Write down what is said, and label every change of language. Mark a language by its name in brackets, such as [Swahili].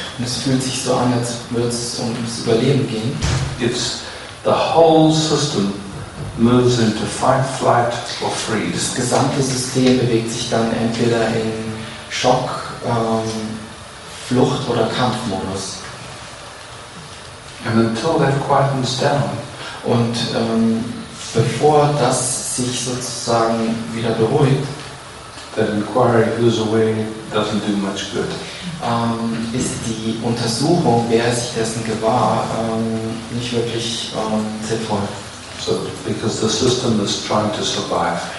[German] und es fühlt sich so an, als würde es ums Überleben gehen, [English] it's the whole system moves into fight, flight or freeze. [German] Das gesamte System bewegt sich dann entweder in Schock, Flucht oder Kampfmodus. [English] And until that quietens down, [German] und bevor das sich sozusagen wieder beruhigt, [English] that inquiry goes away doesn't do much good. [German] Ist die Untersuchung, wer sich dessen gewahr, nicht wirklich sinnvoll. [English] So, because the system is trying to survive.